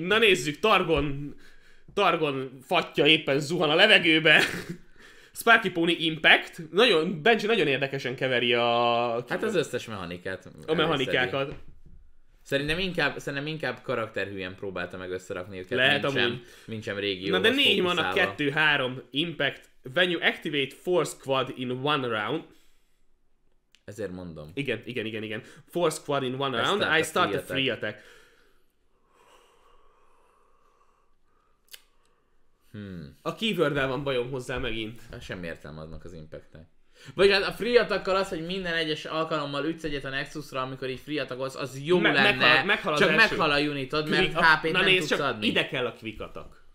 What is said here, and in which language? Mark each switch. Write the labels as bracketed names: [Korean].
[Hungarian] Na nézzük, Targon fattya éppen zuhan a levegőbe. Sparky Pony Impact, nagyon, Benji nagyon érdekesen keveri a... Hát az összes mechanikát. A mechanikákat. Szerintem inkább karakterhűen próbálta meg összerakni őket. Lehet, nincsen régióhoz. Na de 4 mana, 2-3 Impact. [English] When you activate 4 squad in one round. [Hungarian] Ezért mondom. Igen. [English] 4 squad in one round, I start a free attack. [Hungarian] A keyword-el van bajom hozzá megint. Semmi értelme adnak az impactnek. Vagy hát a free attack-kal az, hogy minden egyes alkalommal ütsz egyet a Nexusra, amikor így free attack-olsz, az jó lenne. Meghal a unitod, mert HP-t nem tudsz adni. Ide kell a quick attack.